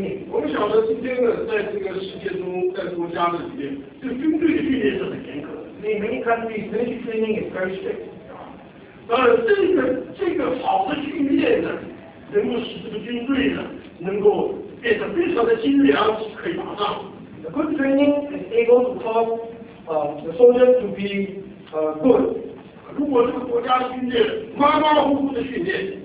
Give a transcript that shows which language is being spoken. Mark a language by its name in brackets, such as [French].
[Chinese] 我们晓得今天呢，在这个世界中，在国家的里面，这个军队的训练是很严格的。 [English] In many countries, military training is very strict. [Chinese] 当然，这个好的训练呢，能够使这个军队呢，能够变得非常的精良，可以打仗。 [English] The good training is able to cause the soldiers to be good. [Chinese] 如果这个国家的训练马马虎虎的训练，